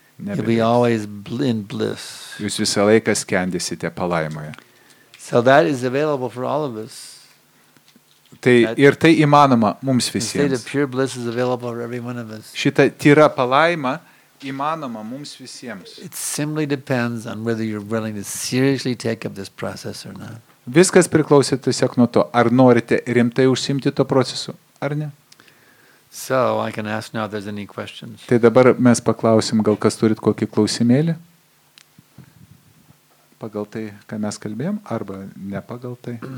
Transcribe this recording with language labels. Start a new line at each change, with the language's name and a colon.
English: You'll be always in bliss.
Lithuanian: Jūs visą laiką skendysite palaimoje.
English: So that is available for all of us.
Lithuanian: Tai ir tai įmanoma mums visiems.
English: The pure bliss is available for every one of us.
Lithuanian: Šita tyra palaima įmanoma mums visiems.
English: It simply depends on whether you're willing to seriously take up this process or not.
Lithuanian: Viskas priklauso tiesiog nuo to, ar norite rimtai užsiimti to procesu, ar ne.
English: So I can ask now if there's any questions.
Lithuanian: Tai dabar mes paklausim, gal kas turit kokį klausimėlį? Pagal tai, ką mes kalbėjom, arba ne pagal tai.